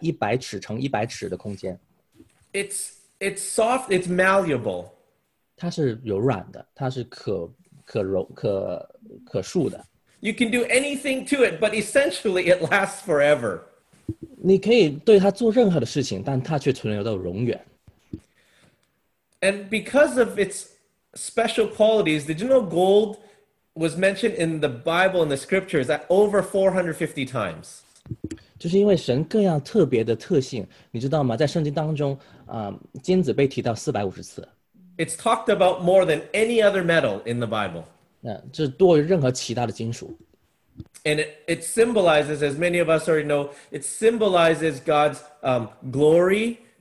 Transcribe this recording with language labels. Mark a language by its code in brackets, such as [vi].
[zh] 它可以把它不停锤成一个很薄很薄的一片金子，可以覆盖100尺乘100尺的空间。 [en] It's soft, it's malleable. [zh] 它是柔软的，它是可柔可树的。 [en] You can do anything to it, but essentially it lasts forever. [zh] 你可以对它做任何的事情，但它却存留到永远。 [en] And because of its special qualities, did you know gold was mentioned in the Bible and the scriptures at over 450 times? [zh] 就是因为神各样特别的特性，你知道吗？在圣经当中, 金子被提到450次。 [en] It's talked about more than any other metal in the Bible. [zh] 这多于任何其他的金属。 [en] And it symbolizes, as many of us already know, it symbolizes God's glory.